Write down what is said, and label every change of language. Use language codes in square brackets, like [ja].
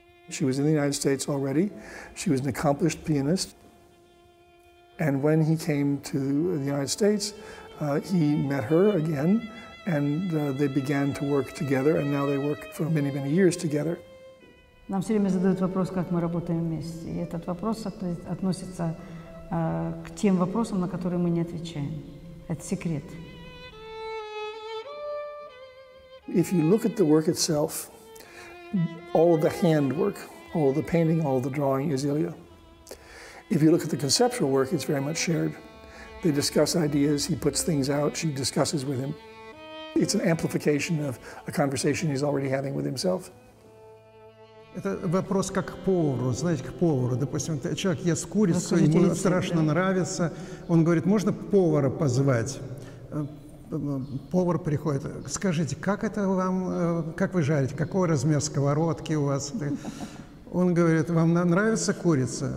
[en] She was in the United States already. She was an accomplished pianist. And when he came to the United States, he met her again, and they began to work together, and now they work for many, many years together. [ru] Нам все время задают вопрос, как мы работаем вместе. И этот вопрос относится к тем вопросам, на которые мы не отвечаем. Это секрет. [en] If you look at the work itself, all of the handwork, all of the painting, all of the drawing is Ilya. If you look at the conceptual work, it's very much shared. They discuss ideas, he puts things out, she discusses with him. It's an amplification of a conversation he's already having with himself. [ru] Это вопрос как к повару, знаете, к повару. Допустим, человек ест курицу, ему страшно нравится. Он говорит, можно повара позвать? Повар приходит, скажите, как это вам, как вы жарите? Какой размер сковородки у вас? Он говорит, вам нравится курица?